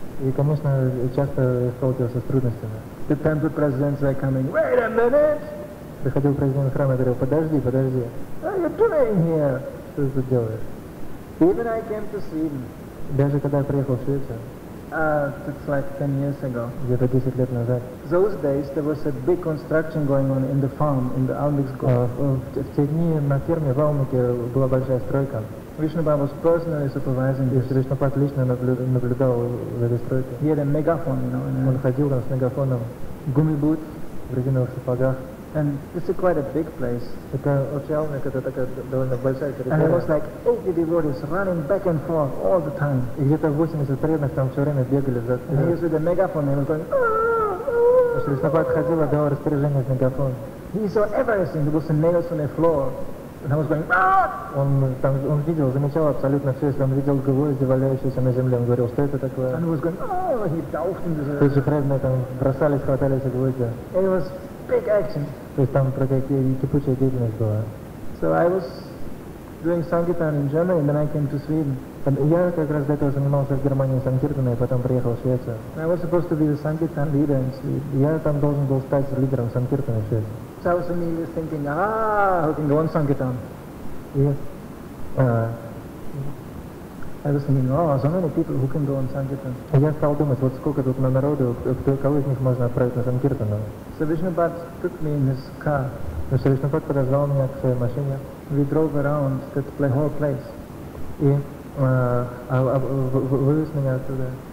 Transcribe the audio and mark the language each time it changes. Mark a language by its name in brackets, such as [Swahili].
[Russian] И, конечно, часто сталкивался с трудностями. [English] The temple presidents are coming. Wait a minute! [Russian] Приходил президент храма и говорил, подожди. [English] What are you doing here? [Russian] Что ты тут делаешь? [English] Even I came to Sweden. [Russian] Даже когда я приехал в Швецию. [English] It's like 10 years ago. [Russian] Где-то 10 лет назад. [English] Those days there was a big construction going on in the farm, in the Almigsgård. [Russian] В те дни на ферме в Алмике была большая стройка. [English] Vishnupad was personally supervising this. [Russian] И Vishnupad лично наблюдал за этой стройкой. [English] He had a megaphone, you know. [Russian] Он ходил там с мегафоном. [English] Gummy boots. [Russian] В резиновых сапогах. [English] And it's a quite a big place. [Russian] Это очень огромное, это такая довольно большая территория. [English] And it was like 80 devotees running back and forth all the time. [Russian] И где-то 80 преданных там все время бегали за... [English] And he was with a megaphone and he was going... [Russian] Vishnupad ходил, отдавал распоряжение с мегафоном. [English] He saw everything. There was some nails on the floor. And I was going, [Russian] он видел, замечал абсолютно все, если он видел гвозди, валяющиеся на земле, он говорил, что это такое? [English] And he was going, he doused into the... [Russian] То есть же преданные там бросались, хватали эти гвозди. [English] It was big action. [Russian] То есть там какая-то кипучая деятельность была. [English] So I was doing sankirtan in Germany, and then I came to Sweden. And [Russian] я как раз до этого занимался в Германии санкиртаной, и потом приехал в Швецию. [English] I was supposed to be the sankirtan leader in Sweden. [Russian] Я там должен был стать лидером санкиртаны в Швеции. [English] So I was immediately thinking, who can go on sankirtan? Yes. I was thinking, wow, so many people who can go on Sankirtan. [Russian] И я стал думать, вот сколько тут на народу, кого из них можно отправить на Санкиртану. [English] So Vishnupad took me in his car. [Russian] Но Вишнупад подозвал меня к своей машине. [English] We drove around that whole place. [Russian] И вывез меня оттуда.